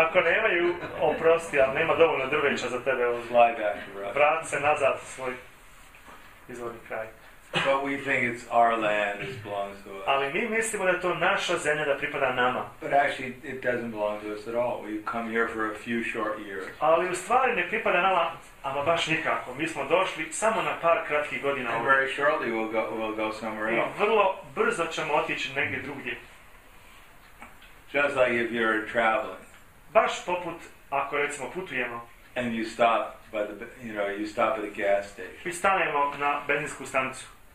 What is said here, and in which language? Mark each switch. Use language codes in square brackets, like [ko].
[bs] Ako nemaju, oprosti, ali nema dovoljno drveća za tebe. [en] Fly back to Russia. [bs] Vrati se nazad svoj izvorni kraj. [en] But we think it's our land, it belongs to us. [bs] Ali mi mislimo da je to naša zemlja, da pripada nama. [en] But actually, it doesn't belong to us at all. We've come here for a few short years. [bs] Ali u stvari ne pripada nama, ama baš nikako. Mi smo došli samo na par kratkih godina. [en] And very shortly we'll go somewhere else. [bs] I vrlo brzo ćemo otići negdje drugdje. [en] Just like if you're traveling. [bs] Baš poput ako recimo putujemo. [en] And you stop by the, you know, you stop at a gas station. [bs] Mi stanemo na benzinsku stanicu.